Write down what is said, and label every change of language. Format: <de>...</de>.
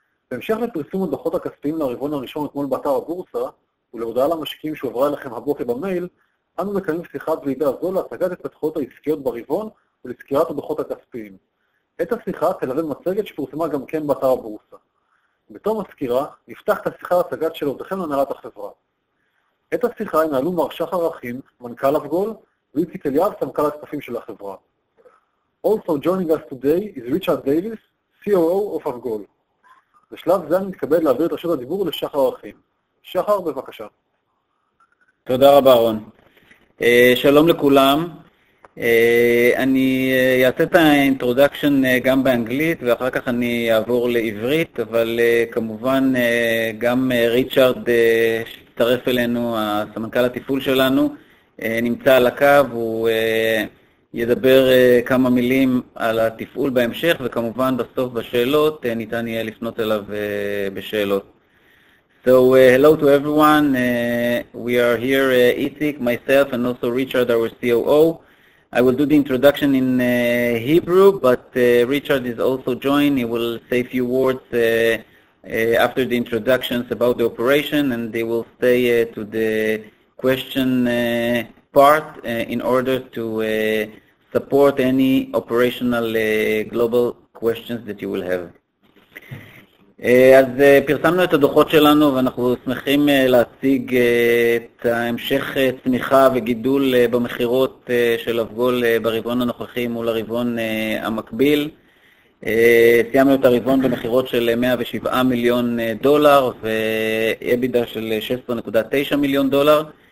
<he>בהמשך לפרסום הדוחות הכספיים לרבעון הראשון אתמול באתר הבורסה, ולהודעה למשקיעים שעוברה אליכם הבוקר במייל, אנו מקיימים שיחת ועידה זו להצגת התפתחויות העסקיות ברבעון ולסקירת הדוחות הכספיים. את השיחה תלווה מצגת שפורסמה גם כן באתר הבורסה. בתום הסקירה, נפתח את השיחה להצגת שאלותיכם להנהלת החברה. את השיחה ינהלו מר שחר אחים, מנכ"ל אבגול, ואיציק אליאב, סמנכ"ל הכספים של החברה.</he> <en>Also joining us today is Richard Davis, COO of Avgol.</en> <he>בשלב זה אני מתכבד להעביר את רשות הדיבור לשחר אחים. שחר, בבקשה. תודה רבה, רון. שלום לכולם. אני אעשה את האינטרודקשן גם באנגלית, ואחר כך אני אעבור לעברית, אבל כמובן גם ריצ'רד שתצטרף אלינו, הסמנכ"ל התפעול שלנו, נמצא על הקו, הוא ידבר כמה מילים על התפעול בהמשך, וכמובן בסוף בשאלות ניתן יהיה לפנות אליו בשאלות.</he> <en>So hello to everyone. We are here, Itzik, myself, and also Richard, our COO. I will do the introduction in Hebrew, but Richard is also joined. He will say a few words after the introductions about the operation, and they will stay to the question part in order to support any operational global questions that you will have.</en> <he>אז פרסמנו את הדוחות שלנו ואנחנו שמחים להציג את המשך צמיחה וגידול במחירות של אבגול ברבעון הנוכחי מול הרבעון המקביל. סיימנו את הרבעון במחירות של 107 מיליון דולר ואבידה של 16.9 מיליון דולר.</he>